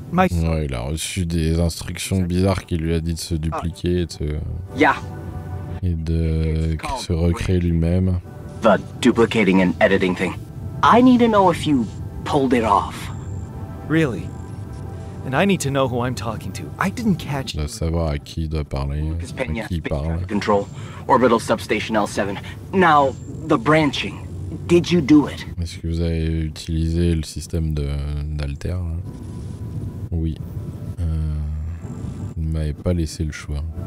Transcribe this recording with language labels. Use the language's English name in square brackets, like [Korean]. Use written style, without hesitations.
[French] Ouais, il a reçu des instructions bizarres qui lui a dit de se dupliquer et de se recréer lui-même. [English] The duplicating and editing thing. I need to know if you pulled it off. Really? And I need to know who I'm talking to. I didn't catch [French] it. De savoir à qui il doit parler, à qui il parle. [English] Control, orbital substation L7. Now, the branching. Did you do it? [French] Est-ce que vous avez utilisé le système d'Alter? Oui. Il ne m'avait pas laissé le choix.